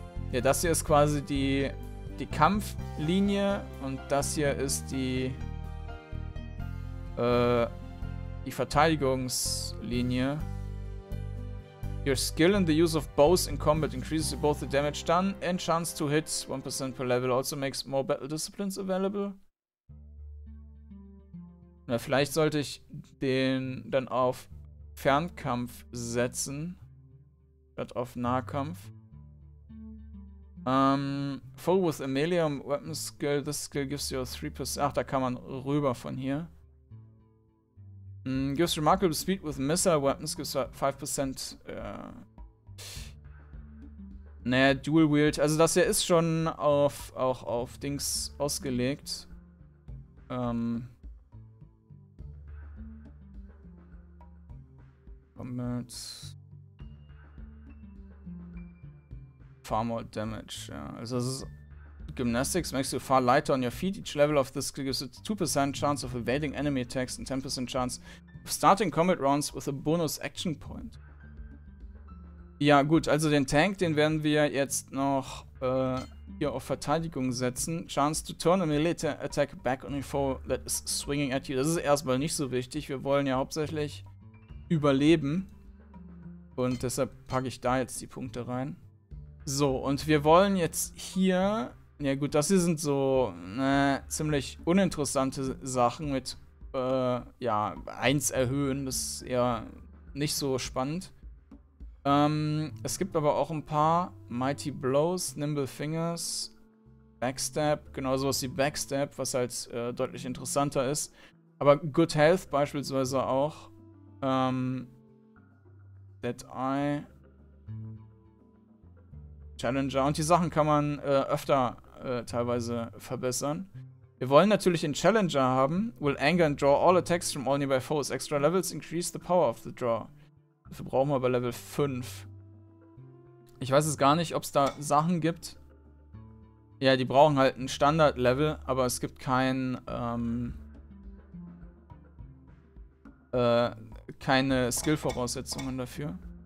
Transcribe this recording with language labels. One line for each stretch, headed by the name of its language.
German: Ja, das hier ist quasi die Kampflinie und das hier ist die Verteidigungslinie.
English: Your skill in the use of bows in combat increases both the damage done and chance to hit 1% per level. Also makes more battle disciplines available.
German: Na, vielleicht sollte ich den dann auf Fernkampf setzen, statt auf Nahkampf.
English: Full with a melee weapon skill, this skill gives you a 3%. Ach, da kann man rüber von hier. Gives remarkable speed with missile weapons, gives 5%.
German: Naja, dual wield. Also, das hier ist schon auch auf Dings ausgelegt.
English: Combat.
German: Far more damage, ja. Also, das ist.
English: Gymnastics makes you far lighter on your feet. Each level of this skill gives a 2% chance of evading enemy attacks and 10% chance. Starting combat rounds with a bonus action point.
German: Ja gut, also den Tank, den werden wir jetzt noch hier auf Verteidigung setzen.
English: Chance to turn a melee attack back on your foe that is swinging at you.
German: Das ist erstmal nicht so wichtig. Wir wollen ja hauptsächlich überleben. Und deshalb packe ich da jetzt die Punkte rein. So, und wir wollen jetzt hier... Ja gut, das hier sind so ziemlich uninteressante Sachen mit... ja, 1 erhöhen, das ist ja nicht so spannend. Es gibt aber auch ein paar Mighty Blows, Nimble Fingers, Backstab, genau sowas wie Backstab, was halt deutlich interessanter ist. Aber Good Health beispielsweise auch. Dead Eye, Challenger und die Sachen kann man öfter teilweise verbessern. Wir wollen natürlich einen Challenger haben.
English: Will anger and draw all attacks from all nearby foes. Extra levels increase the power of the draw.
German: Dafür brauchen wir aber Level 5. Ich weiß es gar nicht, ob es da Sachen gibt. Ja, die brauchen halt ein Standard-Level, aber es gibt keine Skill-Voraussetzungen dafür.